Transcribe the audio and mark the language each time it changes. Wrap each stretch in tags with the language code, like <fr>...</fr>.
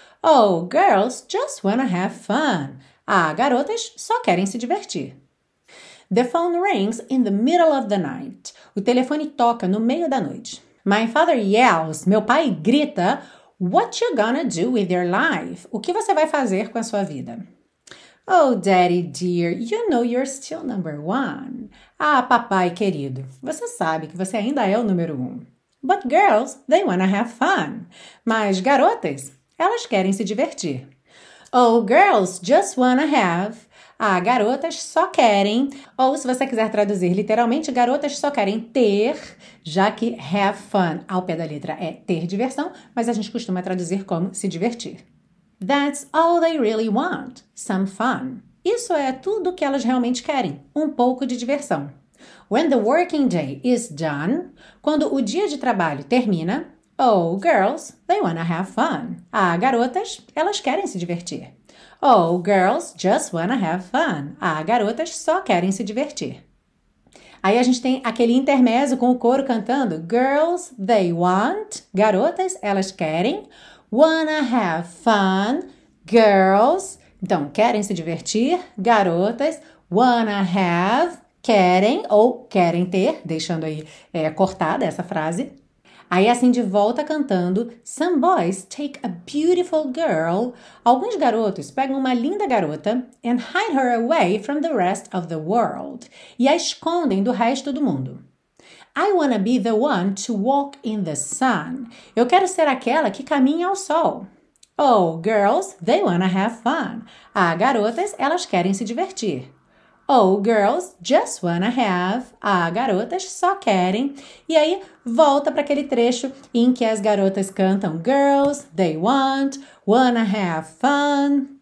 <en>Oh, girls just wanna have fun.</en> <pt>Ah, garotas só querem se divertir.</pt> <en>The phone rings in the middle of the night.</en> <pt>O telefone toca no meio da noite.</pt> <en>My father yells,</en> <pt>meu pai grita,</pt> <en>what you gonna do with your life?</en> <pt>O que você vai fazer com a sua vida?</pt> <en>Oh, daddy dear, you know you're still number one.</en> <pt>Ah, papai querido, você sabe que você ainda é o número um.</pt> <en>But girls, they wanna have fun.</en> <pt>Mas garotas, elas querem se divertir.</pt> <en>Oh, girls, just wanna have.</en> <pt>Ah, garotas só querem. Ou se você quiser traduzir literalmente, garotas só querem ter, já que have fun ao pé da letra é ter diversão, mas a gente costuma traduzir como se divertir.</pt> <en>That's all they really want, some fun.</en> <pt>Isso é tudo que elas realmente querem, um pouco de diversão.</pt> <en>When the working day is done,</en> <pt>quando o dia de trabalho termina,</pt> <en>oh, girls, they wanna have fun.</en> <pt>Ah, garotas, elas querem se divertir.</pt> <en>Oh, girls, just wanna have fun.</en> <pt>Ah, garotas só querem se divertir. Aí a gente tem aquele intermezzo com o coro cantando,</pt> <en>girls, they want,</en> <pt>garotas, elas querem.</pt> <en>Wanna have fun, girls,</en> <pt>então, querem se divertir, garotas,</pt> <en>wanna have,</en> <pt>querem ou querem ter, deixando aí cortada essa frase. Aí a Cindy volta cantando:</pt> <en>Some boys take a beautiful girl.</en> <pt>Alguns garotos pegam uma linda garota</pt> <en>and hide her away from the rest of the world.</en> <pt>E a escondem do resto do mundo.</pt> <en>I wanna be the one to walk in the sun.</en> <pt>Eu quero ser aquela que caminha ao sol.</pt> <en>Oh, girls, they wanna have fun.</en> <pt>Ah, garotas, elas querem se divertir.</pt> <en>Oh, girls, just wanna have.</en> <pt>Ah, garotas, só querem. E aí, volta para aquele trecho em que as garotas cantam.</pt> <en>Girls, they want. Wanna have fun.</en>